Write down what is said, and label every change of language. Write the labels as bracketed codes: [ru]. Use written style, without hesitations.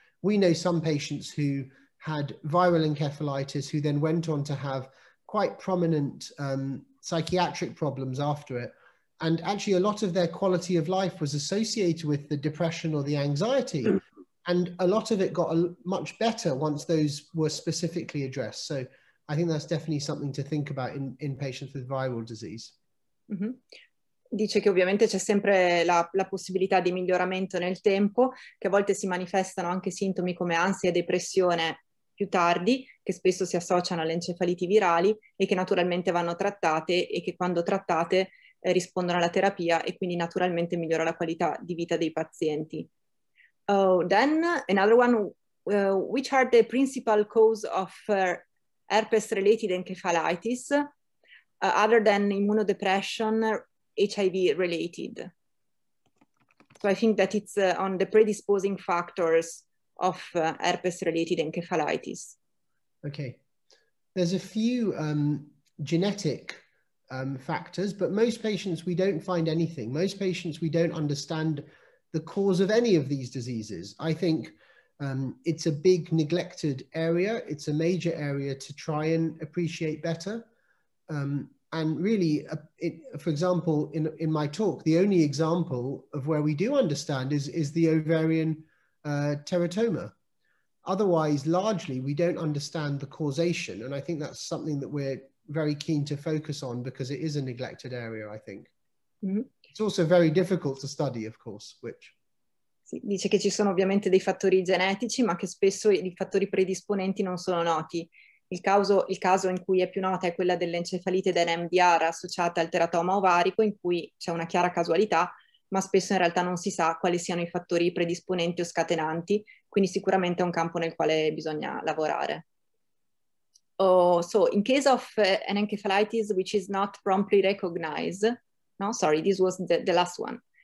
[en] We know some patients who had viral encephalitis who then went on to have quite prominent psychiatric problems after it. And actually a lot of their quality of life was associated with the depression or the anxiety. And a lot of it got much better once those were specifically addressed. So I think that's definitely something to think about in patients with viral disease. Mm-hmm. [it] Dice che ovviamente c'è sempre la possibilità di miglioramento nel tempo, che a volte si manifestano anche sintomi come ansia e depressione più tardi, che spesso si associano alle encefaliti virali e che naturalmente vanno trattate, e che quando trattate rispondono alla terapia e quindi naturalmente migliora la qualità di vita dei pazienti. [en] Oh, then another one, which are the principal cause of herpes-related encephalitis, other than immunodepression, HIV-related? So I think that it's on the predisposing factors of herpes-related encephalitis. Okay, there's a few genetic factors, but most patients, we don't find anything. Most patients, we don't understand the cause of any of these diseases. I think it's a big neglected area. It's a major area to try and appreciate better. And really, for example, in my talk, the only example of where we do understand is the ovarian teratoma. Otherwise, largely, we don't understand the causation. And I think that's something that we're very keen to focus on because it is a neglected area, I think. Mm-hmm. It's also very difficult to study, of course, which... [it] Sì, dice che ci sono ovviamente dei fattori genetici, ma che spesso i fattori predisponenti non sono noti. Il caso in cui è più nota è quella dell'encefalite da NMDR associata al teratoma ovarico, in cui c'è una chiara casualità, ma spesso in realtà non si sa quali siano i fattori predisponenti o scatenanti, quindi sicuramente è un campo nel quale bisogna lavorare. [en] Oh, so, in case of an encephalitis which is not promptly recognized, no, sorry, this was the last one.